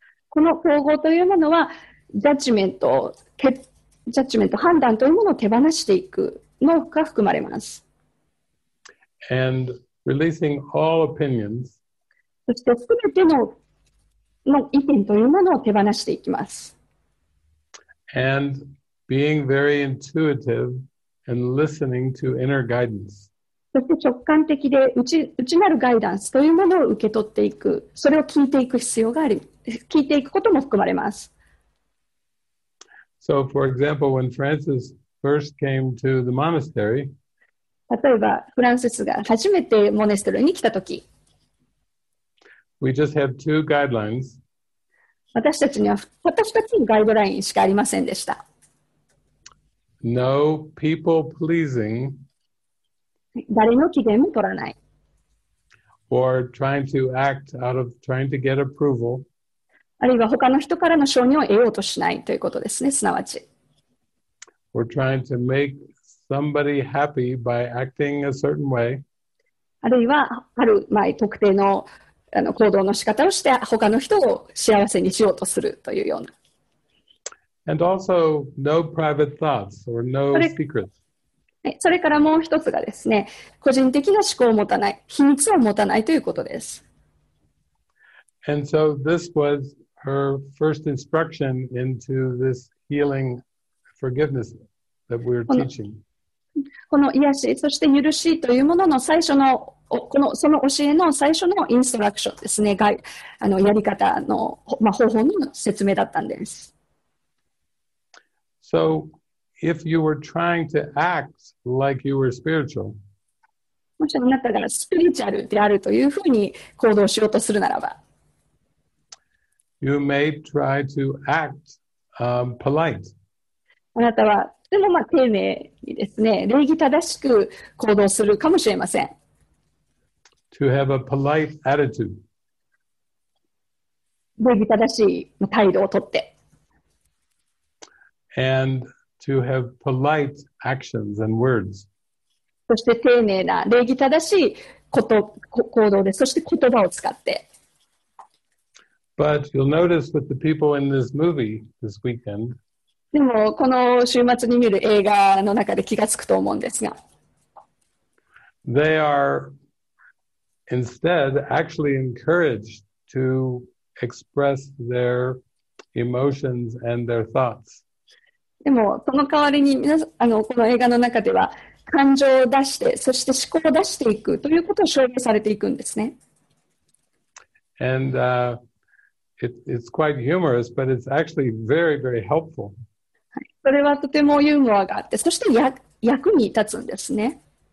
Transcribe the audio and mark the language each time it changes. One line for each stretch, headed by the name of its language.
Japanese: この統合というものはジャッジメント、判断というものを手放していくのが含まれます。
English: And releasing all opinions.
Japanese: そして全ての意見というものを手放していきます。
English: And being very intuitive and listening to inner guidance.
Japanese: そして直感的で内なるガイダンスというものを受け取っていく、それを聞いていく必要があり、聞いていくことも含まれます。
English: So, for example, when Francis first came to the monastery,
Japanese: 例えばフランシスが初めてモネストリーに来たとき、
English: We just had two guidelines.
Japanese: 私たちにはたった2つのガイドラインしかありませんでした。
English: No people pleasing.
Japanese: 誰の機嫌も取らない。
English: Or trying to act out of trying to get approval.
Japanese: あるいは他の人からの承認を得ようとしないということですね、すなわち。
English: Or trying to make somebody happy by acting a certain way.
Japanese: あるいはある前特定の行動の仕方をして他の人を幸せにしようとするというような。
English: And also, no private thoughts or no secrets.
Japanese: それからもう一つがですね、個人的な思考を持たない、秘密を持たないということです。
English: And so this was her first instruction into this healing forgiveness that we're teaching.
Japanese: この癒し、そして許しというものの最初のその教えの最初のインストラクションですね、やり方の、方法の説明だったんです。
English: So, if you were trying to act like you were spiritual,
Japanese: もしあなたがスピリチュアルであるというふうに行動しようとするならば、
English: you may try to act polite.
Japanese: あなたはとても、まあ、丁寧にですね、礼儀正しく行動するかもしれません。
English: To have a polite attitude.
Japanese: 礼儀正しい態度をとって。
English: And to have polite actions and words.
Japanese: そして丁寧な礼儀正しいこと行動で、そして言葉を使って。
English: But you'll notice with the people in this movie this weekend.
Japanese: でもこの週末に見る映画の中で気がつくと思うんですが。
English: They are instead actually encouraged to express their emotions and their thoughts.
Japanese: でもその代わりに皆さん、この映画の中では感情を出して、そして思考を出していくということを証明されていくんですね。
English: And, It's quite humorous, but it's actually very, very helpful.
Japanese: それはとてもユーモアがあって、そして役に立つんですね。